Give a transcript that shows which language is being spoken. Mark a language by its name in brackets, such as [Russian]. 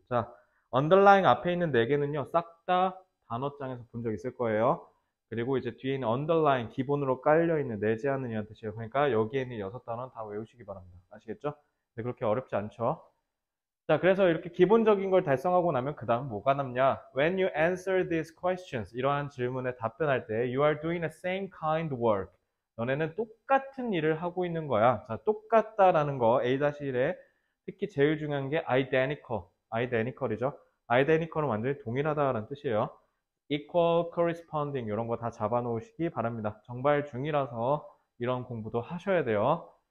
[Korean] 자, underlying 앞에 있는 네 개는요 싹다 단어장에서 본적 있을 거예요. 그리고 이제 뒤에 있는 underlying 기본으로 깔려 있는 내재하는이란 뜻이에요. 그러니까 여기에 있는 여섯 단어는 다 외우시기 바랍니다. 아시겠죠? 네, 그렇게 어렵지 않죠? 자, 그래서 이렇게 기본적인 걸 달성하고 나면 그 다음 뭐가 남냐? [English] When you answer these questions, [Korean] 이러한 질문에 답변할 때, [English] you are doing the same kind work. [Korean] 너네는 똑같은 일을 하고 있는 거야. 자, 똑같다라는 거, A-1에 특히 제일 중요한 게 identical. identical이죠. identical은 완전히 동일하다라는 뜻이에요. equal, corresponding, 이런 거다 잡아놓으시기 바랍니다. 정말 중이라서 이런 공부도 하셔야 돼요.